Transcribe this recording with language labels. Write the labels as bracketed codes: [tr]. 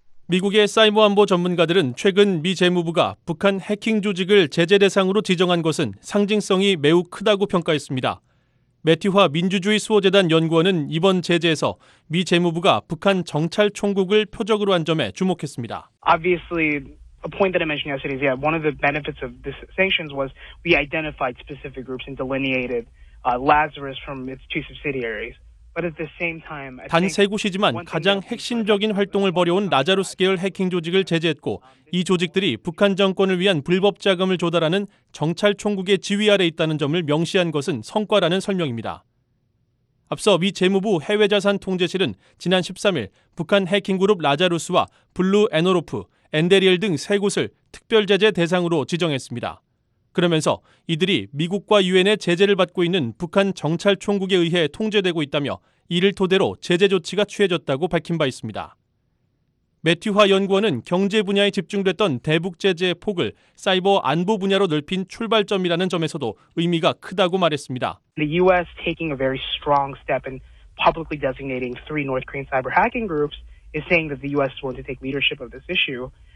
[ko] 미국의 사이버 안보 전문가들은 최근 미 재무부가 북한 해킹 조직을 제재 대상으로 지정한 것은 상징성이 매우 크다고 평가했습니다. 매티화 민주주의 수호재단 연구원은 이번 제재에서 미 재무부가 북한 정찰총국을 표적으로 한 점에 주목했습니다. [en] Obviously, a point that I mentioned yesterday is one of the benefits of the sanctions was we identified specific groups and delineated Lazarus from its two subsidiaries. [ko] 단 세 곳이지만 가장 핵심적인 활동을 벌여온 라자루스 계열 해킹 조직을 제재했고 이 조직들이 북한 정권을 위한 불법 자금을 조달하는 정찰총국의 지휘 아래 있다는 점을 명시한 것은 성과라는 설명입니다. 앞서 미 재무부 해외자산통제실은 지난 13일 북한 해킹 그룹 라자루스와 블루 에너로프, 엔데리엘 등 세 곳을 특별 제재 대상으로 지정했습니다. 그러면서 이들이 미국과 유엔의 제재를 받고 있는 북한 정찰총국에 의해 통제되고 있다며 이를 토대로 제재 조치가 취해졌다고 밝힌 바 있습니다. 매튜화 연구원은 경제 분야에 집중됐던 대북 제재의 폭을 사이버 안보 분야로 넓힌 출발점이라는 점에서도 의미가 크다고 말했습니다. [en] The US taking a very strong step in publicly designating three North Korean cyber hacking groups is saying that the US wants to take leadership of this issue.